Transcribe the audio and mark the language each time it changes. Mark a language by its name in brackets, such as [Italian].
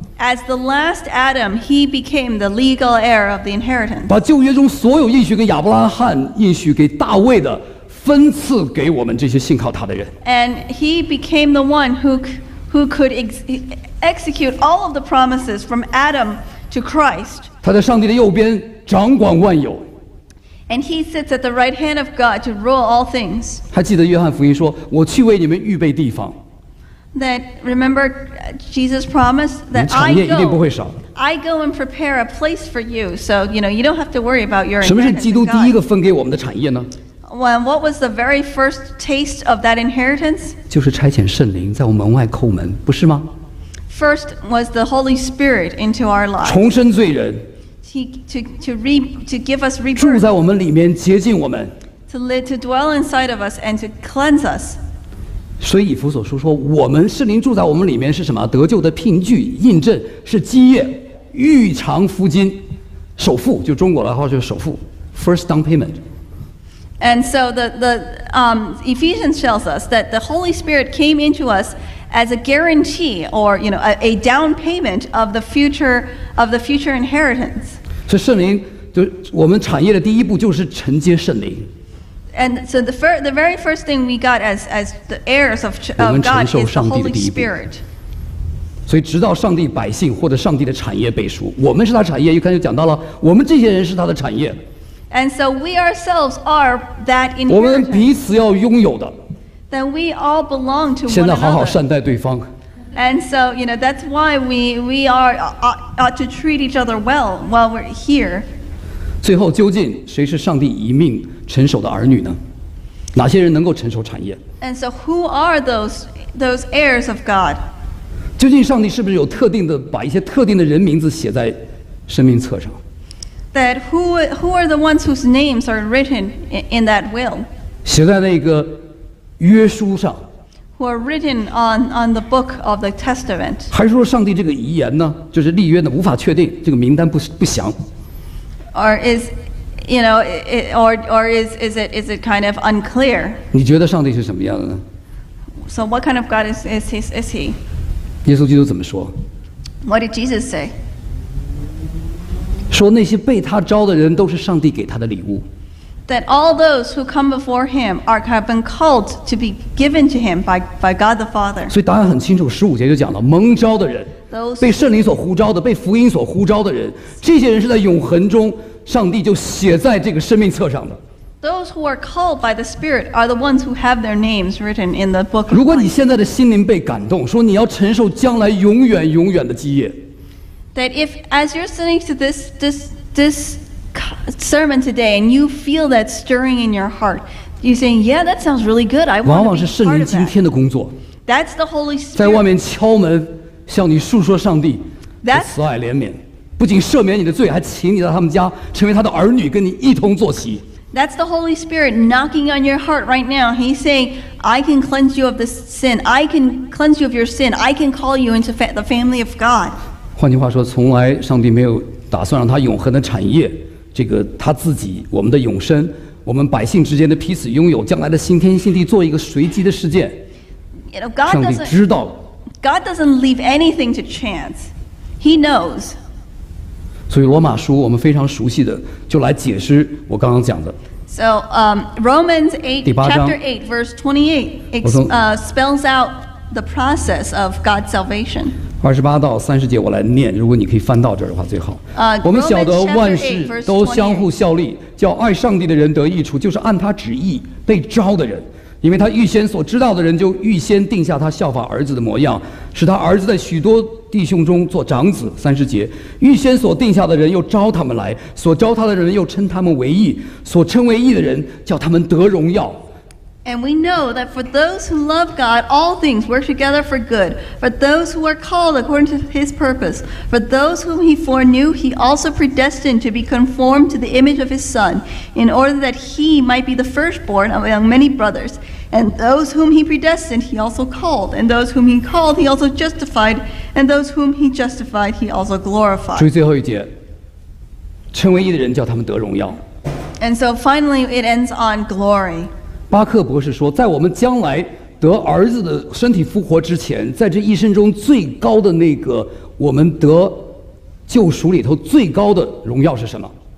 [English] As the last Adam, he became the legal heir of the inheritance. [Chinese] 把旧约中所有应许给亚伯拉罕、应许给大卫的，分赐给我们这些信靠他的人。 [English] And he became the one who could execute all of the promises from Adam to Christ. [Chinese] 他在上帝的右边掌管万有。 [English] And he sits at the right hand of God to rule all things. [Chinese] 还记得约翰福音说：“我去为你们预备地方。” [English] That remember, Jesus promised that I go and prepare a place for you. So you know you don't have to worry about your inheritance. [Chinese] 什么是基督第一个分给我们的产业呢？ [English] When what was the very first taste of that inheritance? [Chinese] 就是差遣圣灵在我们门外叩门，不是吗？ [English] First was the Holy Spirit into our lives. [Chinese] 重生罪人。 [English] To give us rebirth. [Chinese] 住在我们里面，洁净我们。 [English] To dwell inside of us and to cleanse us. [Chinese] 所以以弗所书说，我们圣灵住在我们里面是什么？得救的凭据、印证是基业、预偿夫金、首付，就中国的话就是首付 ， [English] first down payment。 And so the Ephesians tells us that the Holy Spirit came into us as a guarantee or you know a down payment of the future inheritance。 [Chinese] 所以圣灵就我们产业的第一步就是承接圣灵。 [English] And so the very first thing we got as the heirs of God is the Holy Spirit. [Chinese] 所以直到上帝百姓或者上帝的产业被赎，我们是他产业。一开始讲到了，我们这些人是他的产业。 [English] And so we ourselves are that inheritance. [Chinese] 我们彼此要拥有的。 [English] Then we all belong to one another. [Chinese] 现在好好善待对方。 [English] And so you know that's why we are ought to treat each other well while we're here. [Chinese] 最后究竟谁是上帝遗命？成熟的儿女呢？哪些人能够承受产业 [English] ？And so, who are those heirs of God? [Chinese] 究竟上帝是不是有特定的把一些特定的人名字写在生命册上 [English] ？That who are the ones whose names are written in that will? [Chinese] 写在那个约书上 [English] ？Who are written on the book of the testament? [Chinese] 还是说上帝这个遗言呢？就是立约的无法确定，这个名单不详 [English] ？Or is You know, is it kind of unclear? [Chinese] 你觉得上帝是什么样的呢 [English] ？So what kind of God is he? [Chinese] 耶稣基督怎么说 [English] ？What did Jesus say? [Chinese] 说那些被他招的人都是上帝给他的礼物。 [English] That all those who come before him have been called to be given to him by God the Father. [Chinese] 所以答案很清楚，十五节就讲了，蒙召的人， [English] those、 [Chinese] 被圣灵所呼召的，被福音所呼召的人，这些人是在永恒中。上帝就写在这个生命册上的。 [English] Those who are called by the Spirit are the ones who have their names written in the book. [Chinese] 如果你现在的心灵被感动，说你要承受将来永远永远的基业。 [English] That if as you're listening to this sermon today and you feel that stirring in your heart, you're saying, yeah, that sounds really good. I want to be part of that. That's the Holy Spirit. [Chinese] 在外面敲门，向你述说上帝的慈爱怜悯，不仅赦免你的罪，还请你到他们家成为他的儿女，跟你一同坐席。 [English] That's the Holy Spirit knocking on your heart right now. He's saying, I can cleanse you of this sin. I can cleanse you of your sin. I can call you into the family of God. [Chinese] 换句话说，从来上帝没有打算让他永恒的产业，这个他自己，我们的永生，我们百姓之间的彼此拥有，将来的新天新地，做一个随机的事件。 [English] You know, God [Chinese] 上帝知道了。 [English] God doesn't leave anything to chance. He knows. [Chinese] 所以罗马书我们非常熟悉的就来解释我刚刚讲的 [English] So Romans 8 chapter 8 verse 28 spells out the process of God's salvation [Chinese] 28到30节我来念如果你可以翻到这儿的话最好我们晓得万事都相互效力叫爱上帝的人得益处就是按他旨意被召的人因为他预先所知道的人就预先定下他效法儿子的模样使他儿子在许多弟兄中做长子三十节预先所定下的人又招他们来所招他的人又称他们为义所称为义的人叫他们得荣耀 [English] And we know that for those who love God all things work together for good for those who are called according to his purpose for those whom he foreknew he also predestined to be conformed to the image of his son in order that he might be the firstborn among many brothers And those whom he predestined, he also called. And those whom he called, he also justified. And those whom he justified, he also glorified. [Chinese] 最后一节，称为义的人叫他们得荣耀。 [English] And so finally, it ends on glory. [Chinese] 巴克博士说，在我们将来得儿子的身体复活之前，在这一生中最高的那个我们得救赎里头最高的荣耀是什么？